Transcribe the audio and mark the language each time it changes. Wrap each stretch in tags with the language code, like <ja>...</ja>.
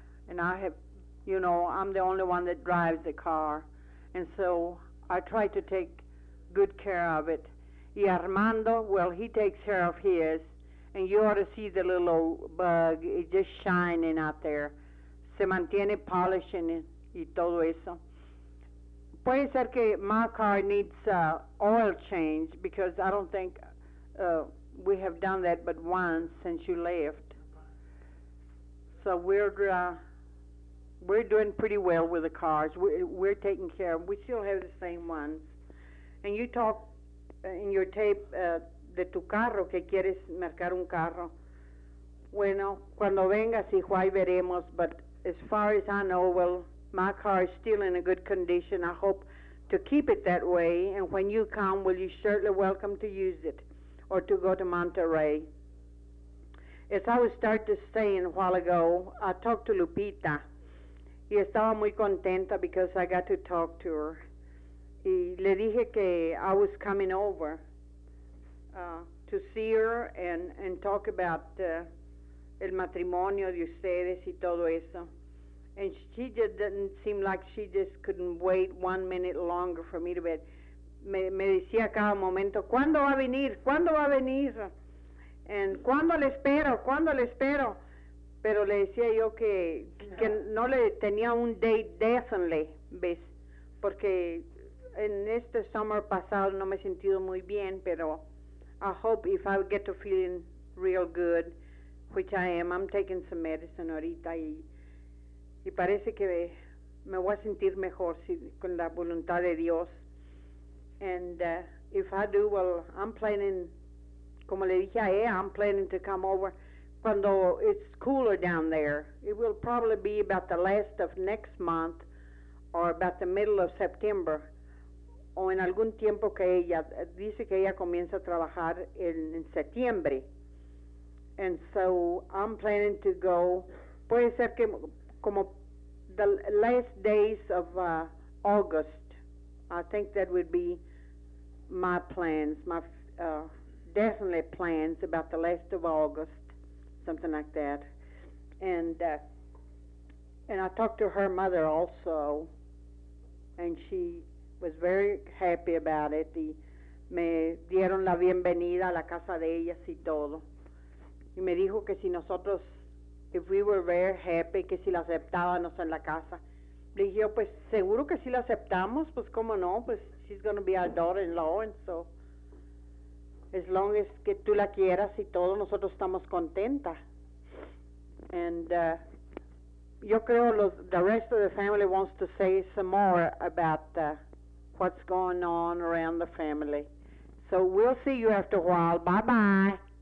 <en>And I have, I'm the only one that drives the car. And so I try to take good care of it. Y Armando, well, he takes care of his. And you ought to see the little old bug. It's just shining out there.</en> <es>Se mantiene</es> <en>polishing</en> <es>y todo eso. Puede ser que</es> <en>my car needs oil change, because I don't think we have done that but once since you left. So we're doing pretty well with the cars. We're taking care of them. We still have the same ones. And you talk in your tape</en> <es>de tu carro, que quieres mercar un carro. Bueno, cuando vengas, hijo, ahí veremos.</es> <en>But as far as I know, well, my car is still in a good condition. I hope to keep it that way. And when you come, well, you're certainly welcome to use it or to go to Monterrey. As I was starting to say a while ago, I talked to Lupita.</en> <es>Y estaba muy contenta</es> <en>because I got to talk to her.</en> <es>Y le dije que</es> <en>I was coming over to see her and talk about</en> <es>el matrimonio de ustedes y todo eso.</es> <en>And she just didn't seem like she just couldn't wait one minute longer for me to be.</en> <es>Me decía cada momento, ¿cuándo va a venir? ¿Cuándo va a venir? And ¿cuándo le espero? ¿Cuándo le espero? Pero le decía yo que no le tenía un</es> <en>date definitely,</en> <es>¿ves? Porque en este summer pasado no me he sentido muy bien, pero</es> <en>I hope if I get to feeling real good, which I am, I'm taking some medicine</en> <es>ahorita y parece que me voy a sentir mejor si, con la voluntad de Dios.</es> <en>And if I do, well, I'm planning,</en> <es>como le dije a ella,</es> <en>I'm planning to come over when the, it's cooler down there. It will probably be about the last of next month or about the middle of September.</en> <es>O en algún tiempo que ella dice que ella comienza a trabajar en septiembre.</es> <en>And so I'm planning to go,</en> <es>puede ser que como</es> <en>the last days of August. I think that would be my plans, my definitely plans about the last of August, something like that. And I talked to her mother also, and she was very happy about it.</en> <es>Y me dieron la bienvenida a la casa de ellas y todo. Y me dijo que si nosotros,</es> <en>if we were very happy,</en> <es>que si la aceptábamos en la casa. Le dije, pues seguro que si la aceptamos, pues cómo no, pues</es> <en>she's going to be our daughter-in-law, and so as long as</en> <es>que tú la quieras y todo, nosotros estamos contentas.</es> <en>And</en> <es>yo creo los,</es> <en>the rest of the family wants to say some more about what's going on around the family. So we'll see you after a while. Bye-bye.</en>